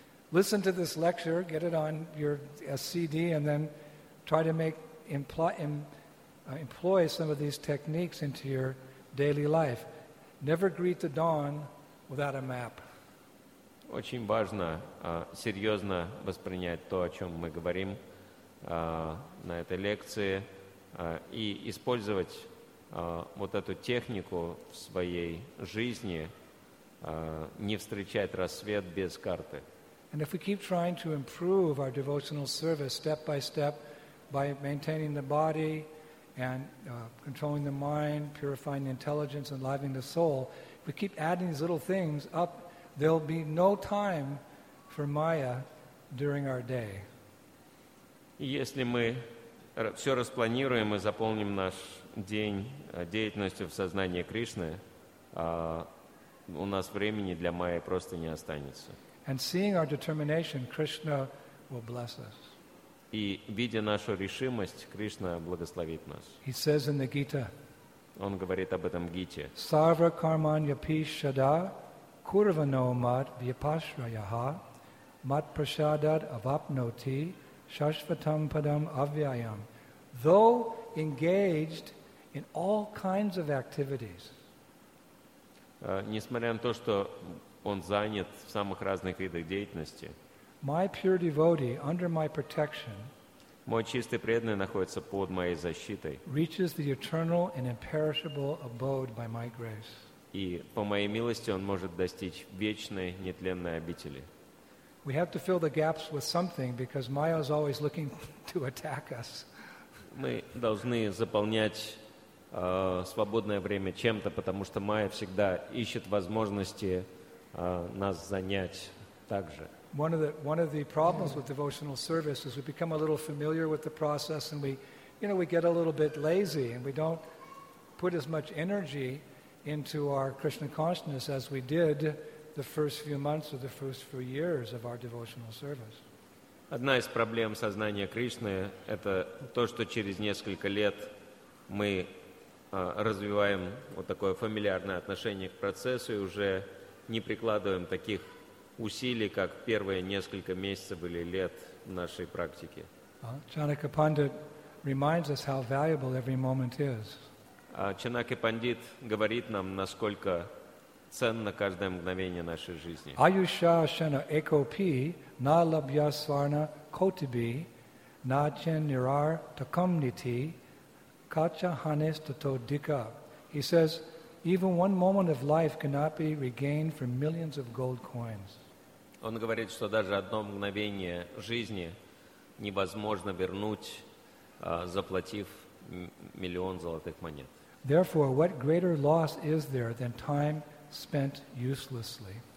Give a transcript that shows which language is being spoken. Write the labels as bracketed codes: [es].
[en] Listen to this lecture, get it on your CD, and then try to employ some of these techniques into your daily life. Never greet the dawn without a map. [ru] Очень важно серьезно воспринять то, о чем мы говорим на этой лекции, и использовать вот эту технику в своей жизни, не встречать рассвет без карты. [en] And if we keep trying to improve our devotional service step by step by maintaining the body and controlling the mind, purifying the intelligence, enlivening the soul, if we keep adding these little things up, there'll be no time for Maya during our day. [ru] Если мы все распланируем и заполним наш день деятельностью в сознании Кришны, у нас времени для Майи просто не останется. [en] And seeing our determination, Krishna will bless us. [ru] И видя нашу решимость, Кришна благословит нас. [en] He says in the Gita, [ru] он говорит об этом гите. [sa] Sarva karmanya pishada kurvano mat vipashrayaha mat prasadat avapnoti shashvatam padam avyayam. [en] Though engaged in all kinds of activities. [ru] Несмотря на то, что он занят в самых разных видах деятельности. [en] My pure devotee, under my protection, [ru] мой чистый преданный находится под моей защитой. [en] Reaches the eternal and imperishable abode by my grace. [ru] И по моей милости он может достичь вечной нетленной обители. [en] We have to fill the gaps with something because Maya is always looking to attack us. [ru] Мы должны заполнять свободное время чем-то, потому что Майя всегда ищет возможности нас занять так же. [en] One of the problems with devotional service is we become a little familiar with the process and we get a little bit lazy and we don't put as much energy into our Krishna consciousness as we did the first few months or the first few years of our devotional service. [ru] Одна из проблем сознания Кришны — это то, что через несколько лет мы развиваем вот такое фамильярное отношение к процессу и уже не прикладываем таких усилий, как первые несколько месяцев или лет в нашей практике. [en] Chanakya Pandit reminds us how valuable every moment is. [ru] Chanakya Pandit говорит нам, насколько ценно каждое мгновение нашей жизни. [sa] Аюша шена экопи на лабья сварна котиби на чен нирар такомнити кача ханес тато дика. [en] He says, even one moment of life cannot be regained for millions of gold coins. [ru] Он говорит, что даже одно мгновение жизни невозможно вернуть, заплатив миллион золотых монет. [en] Therefore, what greater loss is there than time spent uselessly?